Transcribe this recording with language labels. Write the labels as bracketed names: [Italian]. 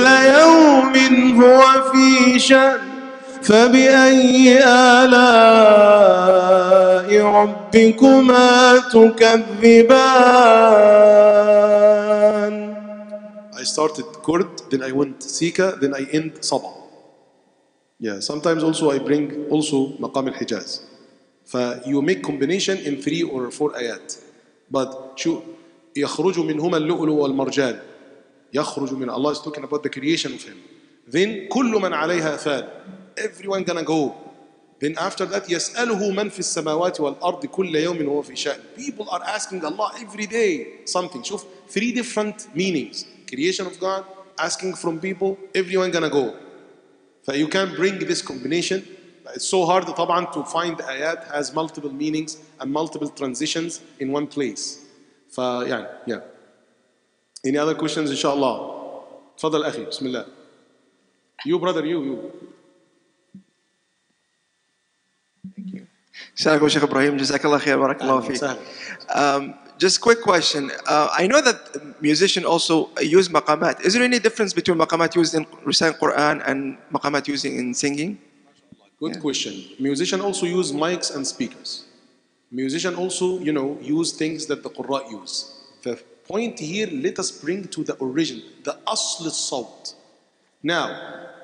[Arabic] يوم هو في شأن فبأي آلاء ربكما تكذبان [English] I started Kurd, then I went Sika, then I end Sabah. Yeah, sometimes also I bring also Maqam al-Hijaz. You make combination in 3 or 4 ayat. But [Arabic] يخرج منهما اللؤلؤ والمرجان يخرج من [English] Allah is talking about the creation of him. Then [Arabic] كل من عليها فان [English] Everyone gonna go. Then after that, [Arabic] يسأله من في السماوات والأرض كل يوم هو في شأن. [English] People are asking Allah every day something. شوف 3 different meanings. Creation of God, asking from people, everyone gonna go. So you can bring this combination. It's so hard طبعا to find the ayat has multiple meanings and multiple transitions in one place. Yeah. Any other questions, inshallah? [Arabic] تفضل أخي, بسم الله. [English] You brother, you. Thank you. [Arabic] Shaykh Ibrahim, جزاك الله خير, بارك الله فيك. [English] Just quick question. I know that musicians also use maqamat. Is there any difference between maqamat used in reciting Quran and maqamat used in singing? Good question. Musicians also use mics and speakers. Musicians also, you know, use things that the Qurra use. The point here, let us bring to the origin, the asl al-sawt. Now,